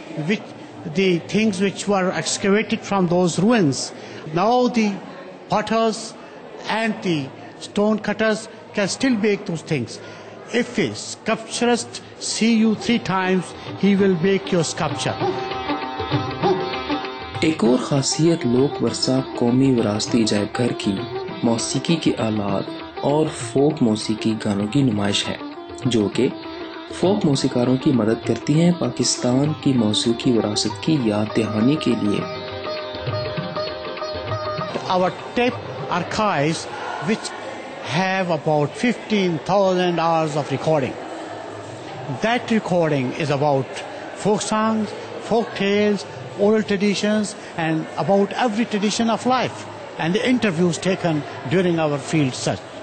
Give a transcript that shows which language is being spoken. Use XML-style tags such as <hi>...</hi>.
<en>With the things which were excavated from those ruins, now the potters and the stone cutters can still make those things. If a sculpturist see you three times, he will make your sculpture.</en> <ur>ایک اور خاصیت لوک ورثہ قومی وراثتی عجائب گھر کی موسیقی کے آلات اور فوک موسیقی گانوں کی نمائش ہے، جو کہ فوک موسیقاروں کی مدد کرتی ہیں پاکستان کی موسیقی وراثت کی یاد دہانی کے لیے.</ur> <en>Our tape archives which have about 15,000 hours of recording. That recording is about folk songs, folk tales, oral traditions and about every tradition of life and the interviews taken during our field search.</en>